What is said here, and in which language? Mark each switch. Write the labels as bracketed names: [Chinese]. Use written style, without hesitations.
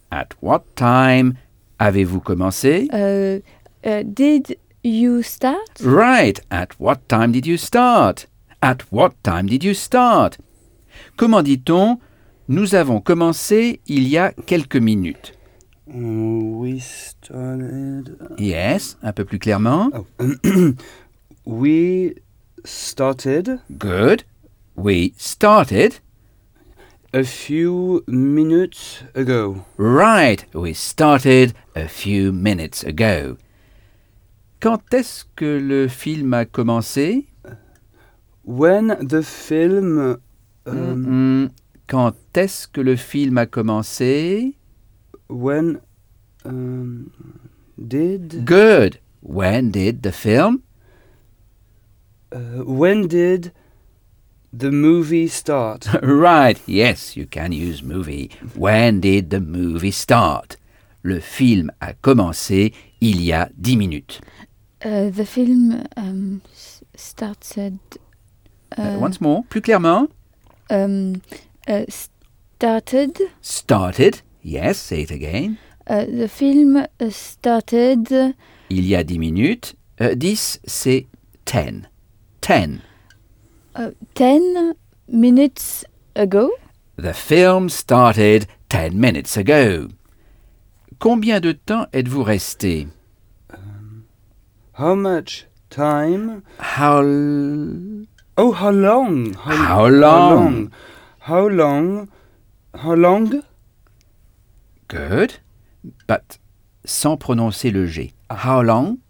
[English] At what time [French] avez-vous commencé? [English] Did you start? Right. At what time did you start? At what time did you start? [French] Comment dit-on? Nous avons commencé il y a quelques minutes. [English] We started... [French] Yes, un peu plus clairement. [English] Oh. We started... Good. We started... A few minutes ago. Right, we started a few minutes ago. [French] Quand est-ce que le film a commencé? [English] When the film... [French] Quand est-ce que le film a commencé? [English] When... did... Good. When did the film... When did... The movie start. Right, yes, you can use movie. When did the movie start? [French] Le film a commencé il y a 10 minutes. [English] The film started... Once more, [French] plus clairement. [English] Started. Started, yes, say it again. The film started... [French] Il y a 10 minutes. 10, c'est 10. 10. [English] 10 minutes ago. The film started 10 minutes ago. [French] Combien de temps êtes-vous resté? [English] How much time? How? Oh, how long? How long? How long? How long? Good, but [French] sans prononcer le G. [English] How long?